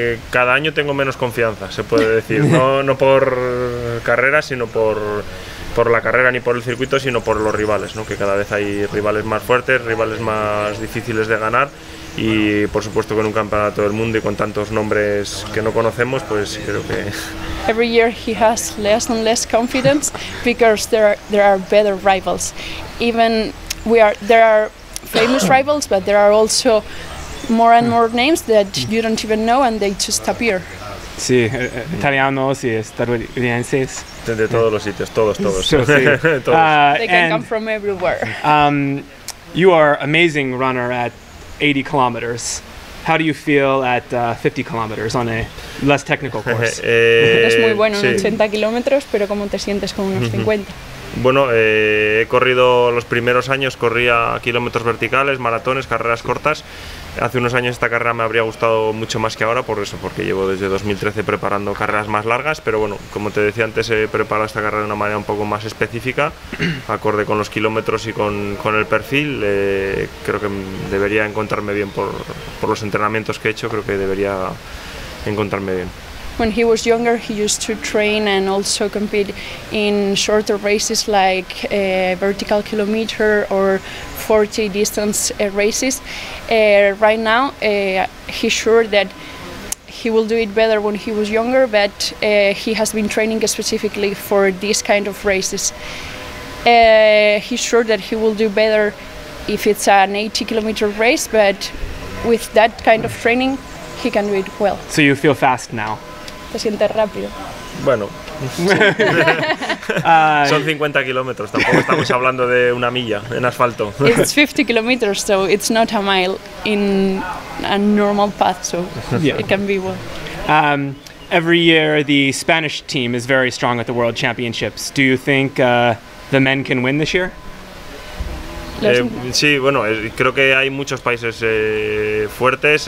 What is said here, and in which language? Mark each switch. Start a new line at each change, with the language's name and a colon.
Spanish: Cada año tengo menos confianza, se puede decir. No por carrera, sino por la carrera ni por el circuito, sino por los rivales, ¿no? Que cada vez hay rivales más fuertes, rivales más difíciles de ganar, y por supuesto con un campeonato del mundo y con tantos nombres que no conocemos, pues creo que
English: every year he has less and less confidence because there are better rivals. Even there are famous rivals, but there are also more and more names that you don't even know and they just appear.
Spanish: Sí, italianos y estadounidenses. De todos los sitios, todos. Sí.
English: They can come from everywhere. You are an amazing runner at 80 kilometers. How do you feel at 50 kilómetros on a less technical course?
Spanish: Eres muy bueno en 80 kilómetros, pero ¿cómo te sientes con unos 50? Bueno, he corrido los primeros años, corría kilómetros verticales, maratones, carreras cortas. Hace unos años esta carrera me habría gustado mucho más que ahora, por eso, porque llevo desde 2013 preparando carreras más largas, pero bueno, como te decía antes, he preparado esta carrera de una manera un poco más específica, acorde con los kilómetros y con el perfil. Creo que debería encontrarme bien por los entrenamientos que he hecho, creo que debería encontrarme bien.
English: when he was younger, he used to train and also compete in shorter races like vertical kilometer or 40 distance races. Right now, he's sure that he will do it better when he was younger, but he has been training specifically for these kind of races. He's sure that he will do better if it's an 80 kilometer race, but with that kind of training, he can do it well. So you feel fast now?
Spanish: Te sientes rápido. Bueno. Son 50 kilómetros, tampoco estamos hablando de una milla en asfalto.
English: It's 50 kilometers, so it's not a mile in a normal path, so yeah. It can be well. Every year, the Spanish team is very strong at the World Championships. Do you think the men can win this year?
Spanish: Sí, bueno, creo que hay muchos países fuertes.